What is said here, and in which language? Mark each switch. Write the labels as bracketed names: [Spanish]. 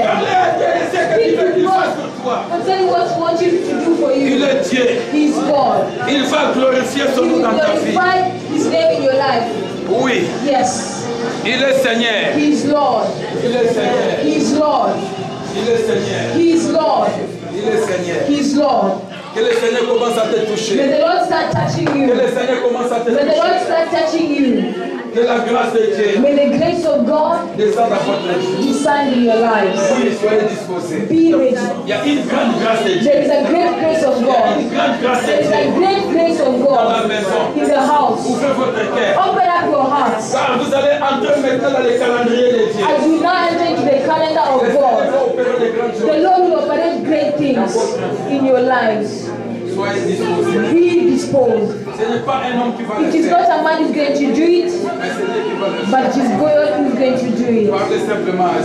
[French] Parle à Dieu de ce que tu veux qu'il fasse pour toi. [English] Concerning what he wants you to do for you. [French] Il est Dieu. [English] He is God. [French] Il va glorifier son nom dans ta vie. [English] He will glorify his name in your life. [French] Oui. [English] Yes. [French] Il est Seigneur. [English] He is Lord. [French] Il est Seigneur. [English] He is Lord. [French] Il est Seigneur. [English] He is Lord. [French] Il est Seigneur. [English] He is Lord. [French] Que le Seigneur commence à te toucher. [English] May the Lord start touching you. [French] Que le Seigneur commence à te toucher. [English] May the Lord start touching you. [French] Que la grâce de Dieu. [English] May the grace of God descend upon you. Descend in your lives. [French] Oui, soyez disposés. [English] Be ready. [French] Il y a une grande grâce de Dieu. [English] There is a great grace of God. [French] Il y a une grande grâce de Dieu. [English] There is a great grace of God. [French] Dans la maison. [English] In the house. [French] Ouvrez votre cœur. [English] Open up your heart. [French] Car vous allez entrer maintenant dans le calendrier de Dieu. [English] As you now enter into the calendar of God. The Lord will operate great things in your lives. Be disposed. It is not a man who's going to do it, but it is God who's going to do it.